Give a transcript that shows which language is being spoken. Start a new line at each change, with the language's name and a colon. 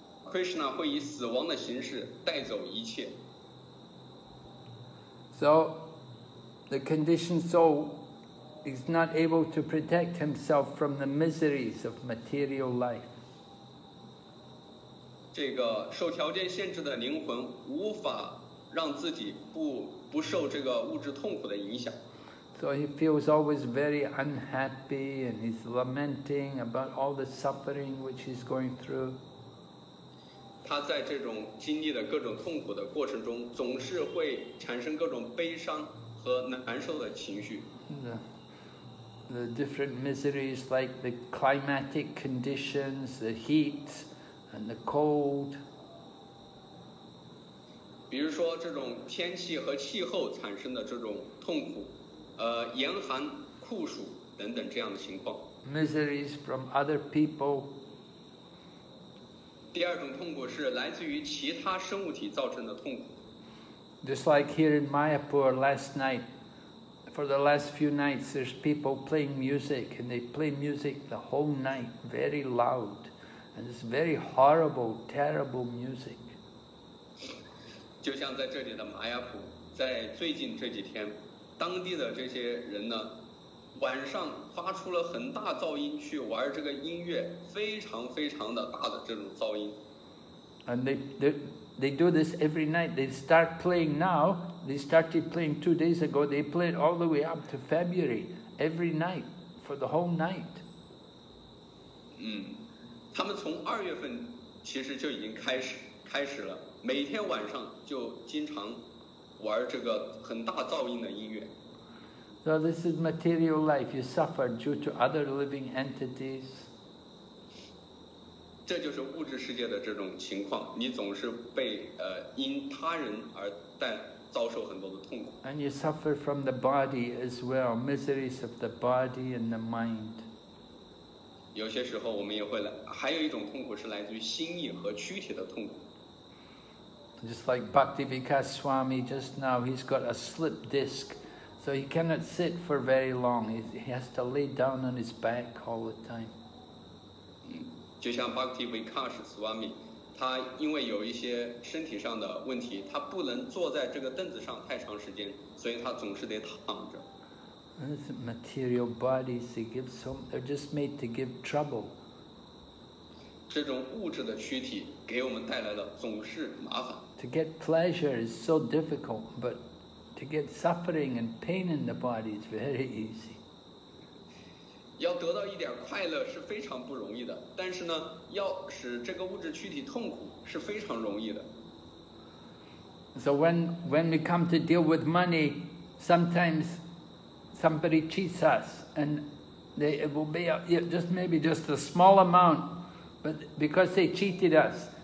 Chinese: Krishna 会以死亡的形式带走一切。
English: So, the conditioned soul is not able to protect himself from the miseries of material life.
Chinese: 这个受条件限制的灵魂无法让自己不受这个物质痛苦的影响。
English: So he feels always very unhappy and he's lamenting about all the suffering which he's going through.
Chinese: 他在这种经历的各种痛苦的过程中，总是会产生各种悲伤和难受的情绪。
English: The different miseries like the climatic conditions, the heat and the cold.
Chinese: 比如说这种天气和气候产生的这种痛苦，严寒、酷暑等等这样的情况。
English: Miseries from other people.
Chinese: 第二种痛苦是来自于其他生物体造成的痛苦。
English: Just like here in Mayapur last night, for the last few nights, there's people playing music, and they play music the whole night, very loud, and it's very horrible, terrible music.
Chinese: 就像在这里的马亚普，在最近这几天，当地的这些人呢，晚上发出了很大噪音去玩这个音乐，非常非常的大的这种噪音。
English: And they do this every night. They start playing now. They started playing 2 days ago. They played all the way up to February, every night, for the whole night.
Chinese: 嗯，他们从二月份其实就已经开始了，每天晚上就经常玩这个很大噪音的音乐。
English: So this is material life. You suffer due to other living entities.
Chinese: 这就是物质世界的这种情况。你总是被因他人而遭受很多的痛苦。
English: And you suffer from the body as well, miseries of the body and the mind.
Chinese: 有些时候我们也会还有一种痛苦是来自于心意和躯体的痛苦。
English: Just like Bhaktivikas Swami just now, he's got a slip disc, so he cannot sit for very long. He has to lay down on his back all the time.
Chinese: 就像 Bhaktivikas Swami, 他因为有一些身体上的问题，他不能坐在这个凳子上太长时间，所以他总是得躺着。
English: These material bodies, they're just made to give trouble.
Chinese: 这种物质的躯体给我们带来的总是麻烦。
English: To get pleasure is so difficult, but to get suffering and pain in the body is very easy.
Chinese: 要得到一点快乐是非常不容易的，但是呢，要使这个物质躯体痛苦是非常容易的。
English: So when we come to deal with money, sometimes somebody cheats us, and it will be just a small amount, but because they cheated us.